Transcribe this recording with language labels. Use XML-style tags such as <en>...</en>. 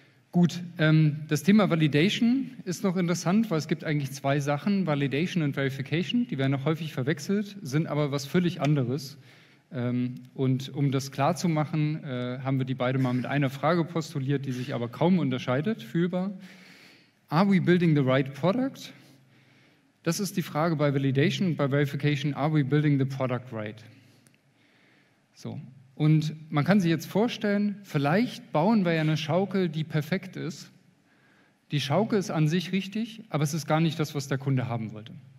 <de>Gut, das Thema Validation ist noch interessant, weil es gibt eigentlich zwei Sachen, Validation und Verification, die werden auch häufig verwechselt, sind aber was völlig anderes. Und um das klar zu machen, haben wir die beide mal mit einer Frage postuliert, die sich aber kaum unterscheidet, fühlbar.</de> <en>Are we building the right product?</en> <de>Das ist die Frage bei Validation und bei Verification,</de> <en>are we building the product right?</en> <de>So. Und man kann sich jetzt vorstellen, vielleicht bauen wir ja eine Schaukel, die perfekt ist. Die Schaukel ist an sich richtig, aber es ist gar nicht das, was der Kunde haben wollte.</de>